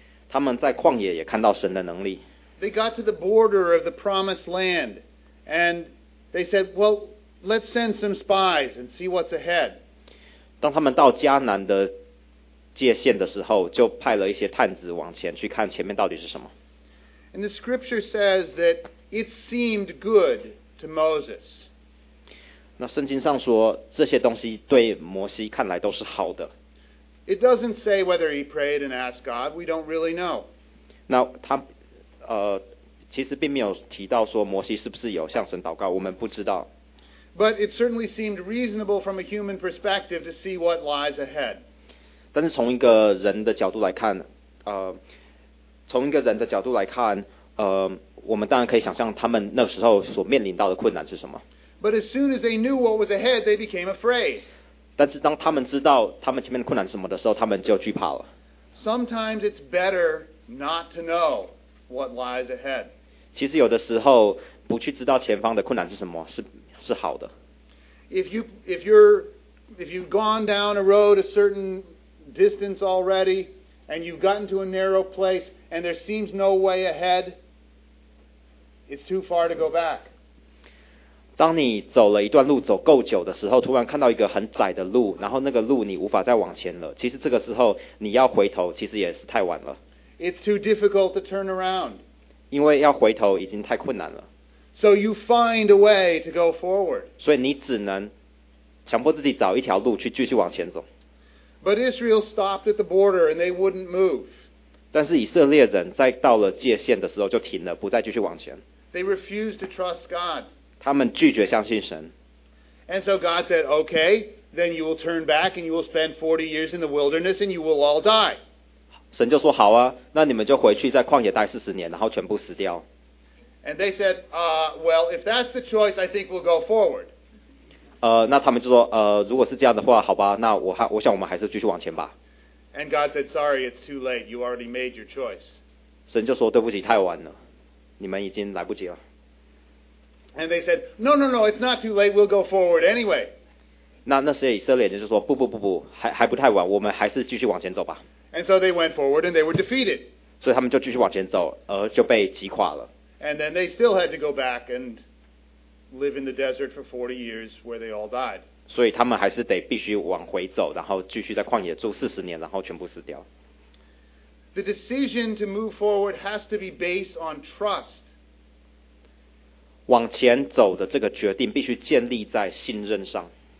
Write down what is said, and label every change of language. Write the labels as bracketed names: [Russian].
[Chinese] 他们在旷野也看到神的能力。 [English] They got to the border of the Promised Land, and they said, "Well, let's send some spies and see what's ahead." [Chinese] 当他们到迦南的界限的时候，就派了一些探子往前去看前面到底是什么。 [English] And the scripture says that it seemed good to Moses. [Chinese] 那圣经上说，这些东西对摩西看来都是好的。 [English] It doesn't say whether he prayed and asked God. We don't really know. [Chinese] 那他其实并没有提到说摩西是不是有向神祷告，我们不知道。 [English] But it certainly seemed reasonable from a human perspective to see what lies ahead. [Chinese] 但是从一个人的角度来看，我们当然可以想象他们那时候所面临到的困难是什么。 [English] But as soon as they knew what was ahead, they became afraid. [Chinese] 但是当他们知道他们前面的困难是什么的时候，他们就惧怕了。 [English] Sometimes it's better not to know what lies ahead. [Chinese] 其实有的时候不去知道前方的困难是什么 是好的。 [English] If you've gone down a road a certain distance already, and you've gotten to a narrow place, and there seems no way ahead, it's too far to go back. [Chinese] 当你走了一段路走够久的时候，突然看到一个很窄的路，然后那个路你无法再往前了。其实这个时候你要回头，其实也是太晚了。 [English] It's too difficult to turn around. [Chinese] 因为要回头已经太困难了。 [English] So you find a way to go forward. [Chinese] 所以你只能强迫自己找一条路去继续往前走。 [English] But Israel stopped at the border and they wouldn't move. [Chinese] 但是以色列人在到了界限的时候就停了，不再继续往前。 [English] They refused to trust God. [Chinese] 他们拒绝相信神。 [English] And so God said, "Okay, then you will turn back and you will spend 40 years in the wilderness and you will all die." [Chinese] 神就说好啊，那你们就回去在旷野待40年，然后全部死掉。 [English] And they said, well, if that's the choice, I think we'll go forward. [Chinese] 那他们就说，如果是这样的话，好吧，那我想我们还是继续往前吧。 [English] And God said, sorry, it's too late. You already made your choice. [Chinese] 神就说，对不起，太晚了，你们已经来不及了。 [English] And they said, no, no, no, it's not too late. We'll go forward anyway. [Chinese] 那些以色列人就说，不，还不太晚，我们还是继续往前走吧。 [English] And so they went forward and they were defeated. [Chinese] 所以他们就继续往前走，就被击垮了。 [English] And then they still had to go back and live in the desert for 40 years where they all died. [Chinese] 所以他们还是得必须往回走，然后继续在旷野住40年，然后全部死掉。 [English] The decision to move forward has to be based on trust. [Chinese] 往前走的这个决定必须建立在信任上。